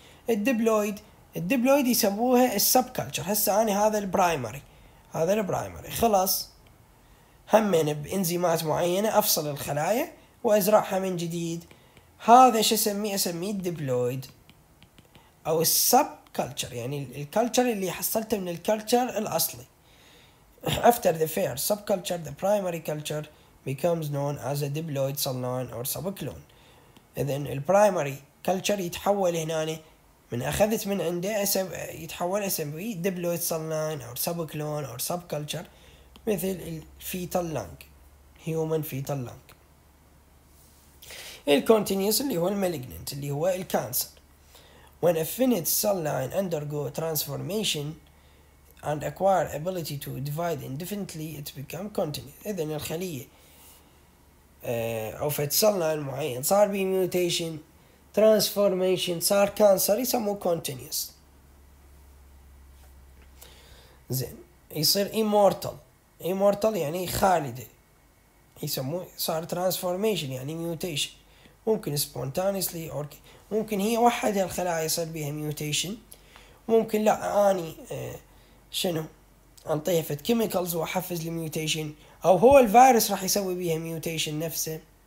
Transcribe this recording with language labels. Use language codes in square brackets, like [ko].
[ar] الديبلويد، الديبلويد يسموها السب كلتشر. هسه انا هذا البرايمري، هذا البرايمري خلاص همين بانزيمات معينه افصل الخلايا وازرعها من جديد، هذا شو اسميه؟ اسميه الديبلويد او السب كلتشر، يعني الكلتشر اللي حصلته من الكلتشر الاصلي. [en] After the first sub culture the primary culture becomes known as a diploid cell line or subclone. [ar] اذا البرايمري كلتشر يتحول هنا من اخذت من عنده يتحول اسمه ديبلويد سيل لاين او سب كلون او سب كلتشر، مثل الفيتال لانج، هيومن فيتال لانج. الكونتينيوس اللي هو المالجننت اللي هو الكانسر. [en] When a finite cell line undergo transformation and acquire ability to divide indefinitely it become continuous. [ar] اذا الخليه او فيت سيل لاين معين صار بي ميوتيشن transformation صار كانسر يسموه continuous. زين، يصير immortal. immortal يعني خالدة، يسموه صار transformation يعني mutation، ممكن [en] spontaneously or [ar] ممكن هي واحدة الخلايا يصير بيها mutation، ممكن لا اني شنو انطيها فت chemicals واحفز للميوتيشن، او هو الفيروس راح يسوي بيها mutation نفسه.